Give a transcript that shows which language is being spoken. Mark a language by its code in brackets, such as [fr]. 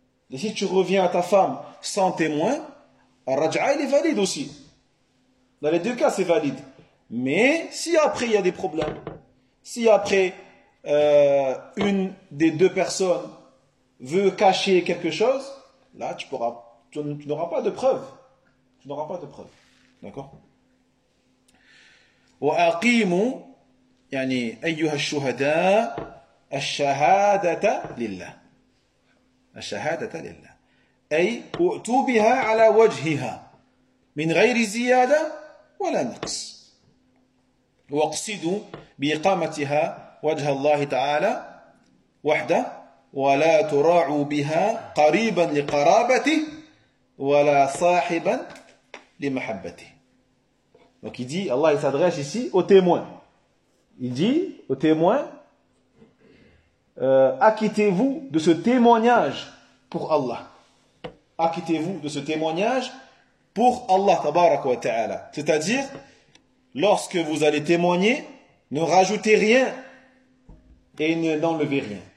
[fr] Et si tu reviens à ta femme sans témoin, Raja, il est valide aussi. Dans les deux cas, c'est valide. Mais si après, il y a des problèmes, si après, une des deux personnes veut cacher quelque chose, là, tu n'auras pas de preuve. Tu n'auras pas de preuve. D'accord. [ar] وأقيموا يعني أيها الشهداء الشهادة لله الشهادة لله أي أؤتوا بها على وجهها من غير زيادة ولا نقص واقصدوا بإقامتها وجه الله تعالى وحده ولا تراعوا بها قريبا لقرابته ولا صاحبا لمحبته [fr] Donc il dit, Allah il s'adresse ici aux témoins. Il dit aux témoins, acquittez-vous de ce témoignage pour Allah. Acquittez-vous de ce témoignage pour Allah, tabarak wa ta'ala. C'est-à-dire, lorsque vous allez témoigner, ne rajoutez rien et n'enlevez rien.